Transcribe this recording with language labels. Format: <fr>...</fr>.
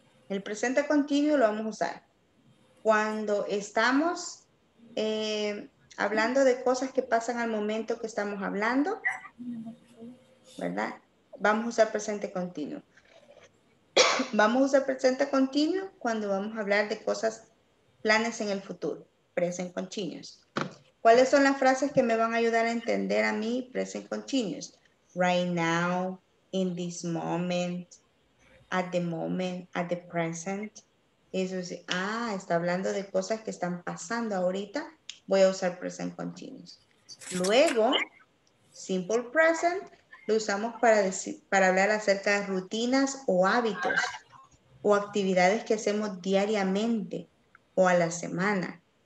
<es>El presente continuo lo vamos a usar. Cuando estamos hablando de cosas que pasan al momento que estamos hablando, ¿verdad? Vamos a usar presente continuo. Vamos a usar presente continuo cuando vamos a hablar de cosas, planes en el futuro, present continuous. ¿Cuáles son las frases que me van a ayudar a entender a mí present continuous?</es> <en>Right now, in this moment, at the present.</en> <es>Eso es, está hablando de cosas que están pasando ahorita. Voy a usar present continuous. Luego, simple present, lo usamos para hablar acerca de rutinas o hábitos o actividades que hacemos diariamente o a la semana.</es>